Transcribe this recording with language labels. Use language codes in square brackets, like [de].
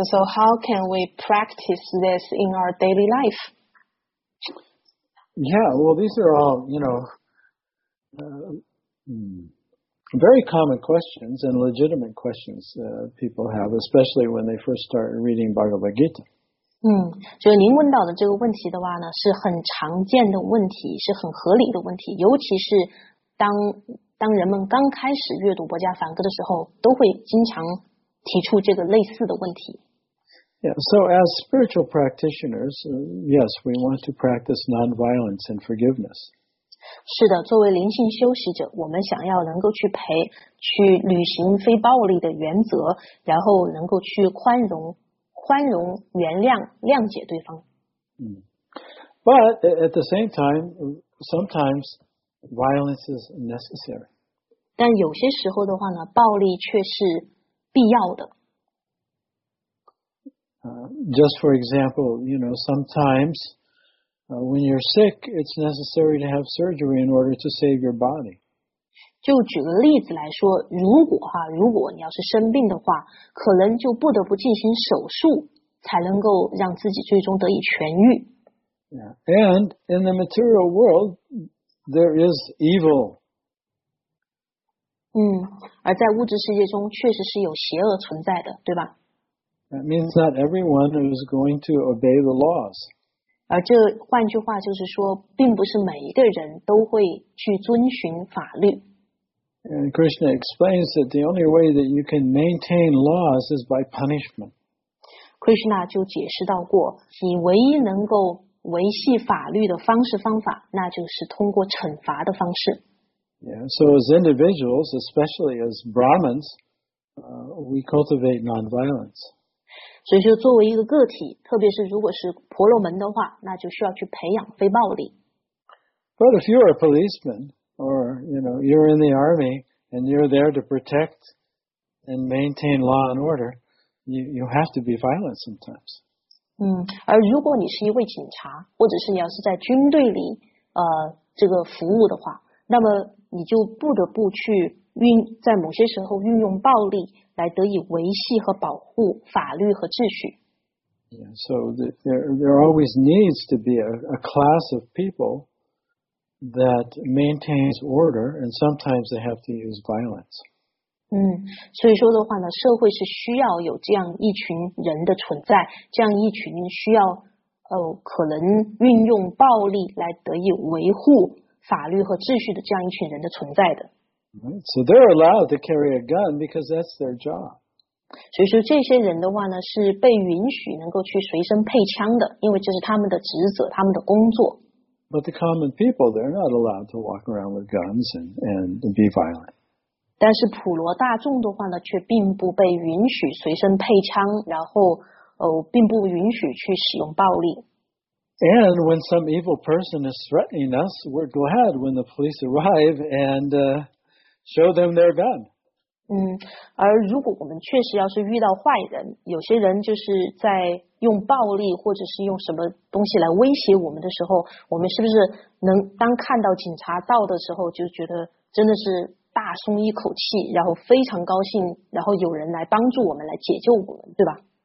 [en] So how can we practice this in our daily life? Yeah, well, these are all, you know, very common questions and legitimate questions people have, especially when they first start reading Bhagavad Gita. [zh] 就是您问到的这个问题的话呢，是很常见的问题，是很合理的问题，尤其是当人们刚开始阅读《薄伽梵歌》的时候，都会经常提出这个类似的问题。 [en] Yeah, so as spiritual practitioners, yes, we want to practice non-violence and forgiveness. [zh] 是的，作为灵性修习者，我们想要能够去履行非暴力的原则，然后能够去宽容、原谅、谅解对方。 [en] But at the same time, sometimes violence is necessary. [zh] 但有些时候的话呢，暴力却是必要的。 [en] Just for example, you know, sometimes when you're sick, it's necessary to have surgery in order to save your body. [zh] 就举个例子来说，如果你要是生病的话，可能就不得不进行手术，才能够让自己最终得以痊愈。 [en] Yeah. And in the material world, there is evil. [zh] 而在物质世界中确实是有邪恶存在的，对吧？ [en] That means not everyone is going to obey the laws. [zh] 而这换句话就是说，并不是每一个人都会去遵循法律。 [en] And Krishna explains that the only way that you can maintain laws is by punishment. [zh] Krishna 就解释到过，你唯一能够维系法律的方法，那就是通过惩罚的方式。 [en] Yeah, so as individuals, especially as Brahmins, we cultivate non-violence. [zh] 所以说作为一个个体，特别是如果是婆罗门的话，那就需要去培养非暴力。 [en] But if you're a policeman, or you know, you're in the army, and you're there to protect and maintain law and order, you have to be violent sometimes. [zh] 而如果你是一位警察，或者是你要是在军队里，这个服务的话，那么你就不得不去在某些时候运用暴力。来得以维系和保护法律和秩序。 [en] Yeah, so there always needs to be a class of people that maintains order, and sometimes they have to use violence. [zh] 所以说的话呢，社会是需要有这样一群人的存在，这样一群需要可能运用暴力来得以维护法律和秩序的这样一群人的存在的。 [en] So they're allowed to carry a gun because that's their job. [zh] 所以说这些人的话呢，是被允许能够去随身配枪的，因为这是他们的职责，他们的工作。 [en] But the common people, they're not allowed to walk around with guns and be violent. [zh] 但是普罗大众的话呢，却并不被允许随身配枪，然后并不允许去使用暴力。 [en] And when some evil person is threatening us, we're glad when the police arrive and show them their gun. [zh] 而如果我们确实要是遇到坏人，有些人就是在用暴力或者是用什么东西来威胁我们的时候，我们是不是能当看到警察到的时候，就觉得真的是大松一口气，然后非常高兴，然后有人来帮助我们，来解救我们，对吧